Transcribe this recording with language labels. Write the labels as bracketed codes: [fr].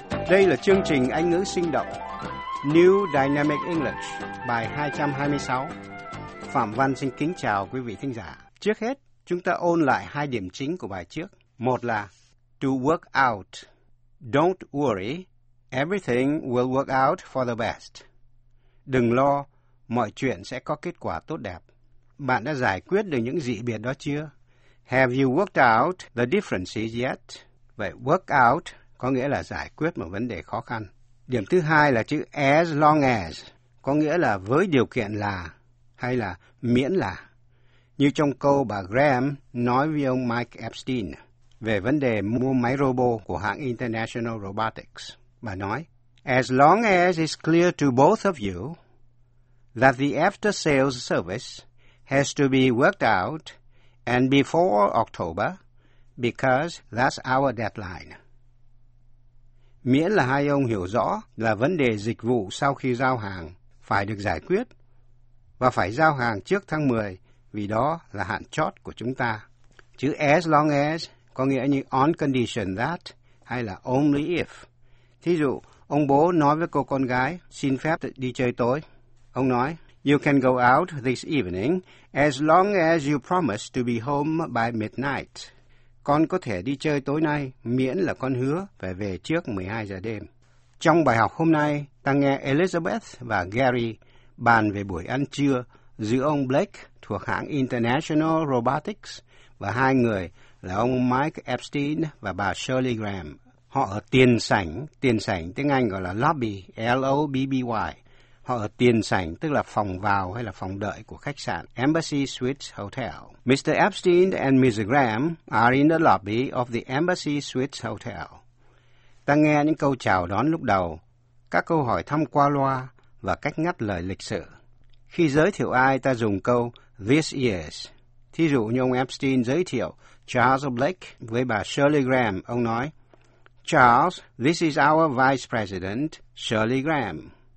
[vi] Đây là chương trình Anh ngữ sinh động New Dynamic English bài 226. Phạm Văn xin kính chào quý vị thính giả. Trước hết, chúng ta ôn lại hai điểm chính của bài trước. Một là to work out. [en] Don't worry, everything will work out for the best. [vi] Đừng lo, mọi chuyện sẽ có kết quả tốt đẹp. Bạn đã giải quyết được những dị biệt đó chưa? [en] Have you worked out the differences yet? [vi] Vậy work out có nghĩa là giải quyết một vấn đề khó khăn. Điểm thứ hai là chữ as long as, có nghĩa là với điều kiện là hay là miễn là. Như trong câu bà Graham nói với ông Mike Epstein về vấn đề mua máy robot của hãng International Robotics. Bà nói, [en] as long as it's clear to both of you that the after sales service has to be worked out and before October, because that's our deadline. [vi] Miễn là hai ông hiểu rõ là vấn đề dịch vụ sau khi giao hàng phải được giải quyết và phải giao hàng trước tháng 10 vì đó là hạn chót của chúng ta. Chữ as long as có nghĩa như on condition that hay là only if. Thí dụ, ông bố nói với cô con gái xin phép đi chơi tối. Ông nói, [en] you can go out this evening as long as you promise to be home by midnight. [vi] Con có thể đi chơi tối nay miễn là con hứa phải về trước 12 giờ đêm. Trong bài học hôm nay, ta nghe Elizabeth và Gary bàn về buổi ăn trưa giữa ông Blake thuộc hãng International Robotics và hai người là ông Mike Epstein và bà Shirley Graham. Họ ở tiền sảnh tiếng Anh gọi là lobby, L-O-B-B-Y. Họ ở tiền sảnh, tức là phòng vào hay là phòng đợi của khách sạn Embassy Suites Hotel. [en] Mr. Epstein and Ms. Graham are in the lobby of the Embassy Suites Hotel. [vi] Ta nghe những câu chào đón lúc đầu, các câu hỏi thăm qua loa và cách ngắt lời lịch sự. Khi giới thiệu ai, ta dùng câu this is. Thí dụ như ông Epstein giới thiệu Charles Blake với bà Shirley Graham. Ông nói, [en] Charles, this is our Vice President Shirley Graham.